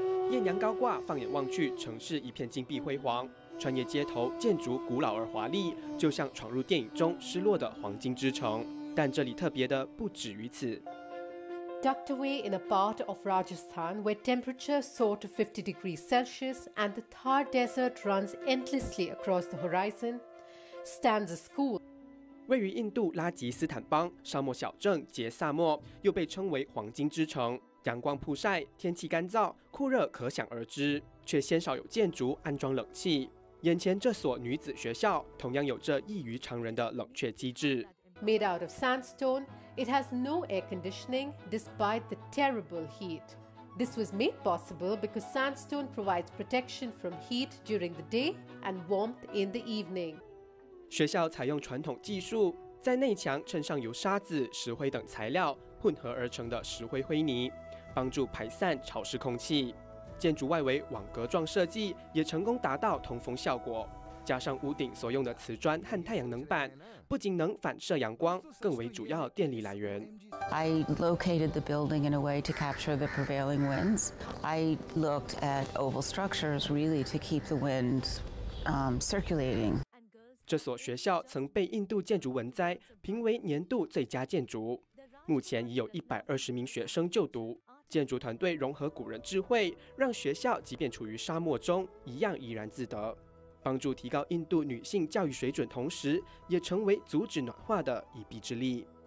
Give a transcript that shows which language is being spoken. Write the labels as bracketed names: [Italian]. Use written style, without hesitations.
[Chinese] 艳阳高挂，放眼望去，城市一片金碧辉煌。穿越街头，建筑古老而华丽，就像闯入电影中失落的黄金之城。但这里特别的不止于此。 [English] Tucked away in a part of Rajasthan where temperature soared to 50 degrees Celsius and the Thar Desert runs endlessly across the horizon, stands a school. [Chinese] 位于印度拉吉斯坦邦沙漠小镇杰萨莫，又被称为黄金之城。阳光曝晒，天气干燥，酷热可想而知，却鲜少有建筑安装冷气。眼前这所女子学校同样有着异于常人的冷却机制。 [English] Made out of sandstone, it has no air conditioning despite the terrible heat. This was made possible because sandstone provides protection from heat during the day and warmth in the evening. [Chinese] 学校采用传统技术，在内墙衬上由沙子、石灰等材料混合而成的石灰灰泥，帮助排散潮湿空气。建筑外围网格状设计也成功达到通风效果，加上屋顶所用的瓷砖和太阳能板，不仅能反射阳光，更为主要电力来源。 [English] I located the building in a way to capture the prevailing winds. I looked at oval structures really to keep the wind circulating. [Chinese] 这所学校曾被印度建筑文摘评为年度最佳建筑，目前已有120名学生就读。建筑团队融合古人智慧，让学校即便处于沙漠中一样怡然自得，帮助提高印度女性教育水准，同时也成为阻止暖化的一臂之力。